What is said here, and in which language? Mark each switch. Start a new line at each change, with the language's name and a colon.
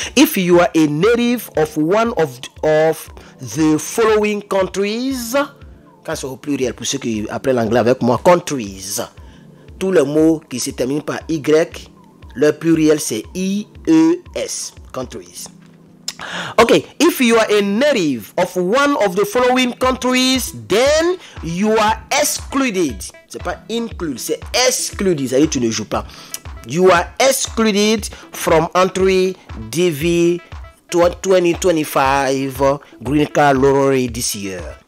English: If you are a native of one of the following countries,
French: quand c'est au pluriel, pour ceux qui apprennent l'anglais avec moi, countries, tous les mots qui se terminent par Y, le pluriel c'est IES, countries.
English: Ok, if you are a native of one of the following countries, then you are excluded.
French: C'est pas include, c'est excluded, ça y est, tu ne joues pas.
English: You are excluded from entry DV 2025 Green Card Lottery this year.